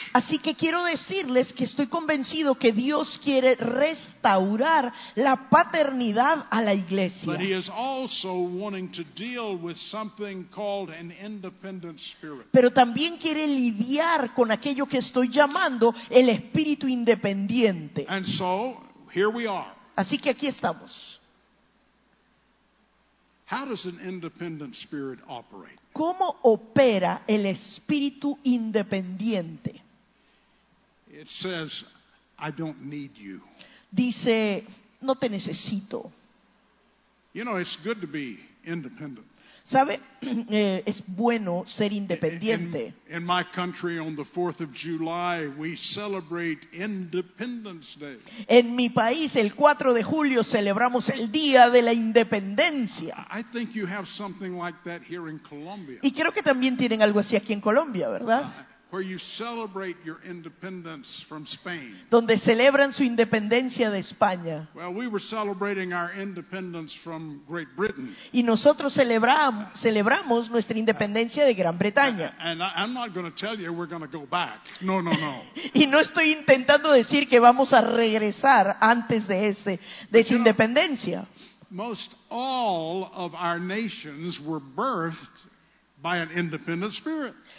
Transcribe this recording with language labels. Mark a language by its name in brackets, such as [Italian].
[Spanish] Así que quiero decirles que estoy convencido que Dios quiere restaurar la paternidad a la iglesia. [English] But he is also wanting to deal with something called an independent spirit. [Spanish] Pero también quiere lidiar con aquello que estoy llamando el espíritu independiente. [English] And so, here we are. [Spanish] Así que aquí estamos. [English] How does an independent spirit operate? [Spanish] ¿Cómo opera el espíritu independiente? [English] It says, I don't need you. [Spanish] Dice, no te necesito. [English] You know, it's good to be independent. [Spanish] ¿Sabe? Es bueno ser independiente. [English] In my country, on the 4th of July, we celebrate Independence Day. [Spanish] En mi país, el 4 de julio, celebramos el Día de la Independencia. [English] I think you have something like that here in Colombia. [Spanish] Y creo que también tienen algo así aquí en Colombia, ¿verdad? [English] Where you celebrate your independence from Spain. [Spanish] Donde celebran su independencia de España. [English] Well, we were celebrating our independence from Great Britain. [Spanish] Y nosotros celebramos nuestra independencia de Gran Bretaña. [English] And I'm not going to tell you we're going to go back. [Spanish] No. Y no estoy intentando decir que vamos a regresar antes de esa independencia. [English] Most all of our nations were birthed by an independent spirit.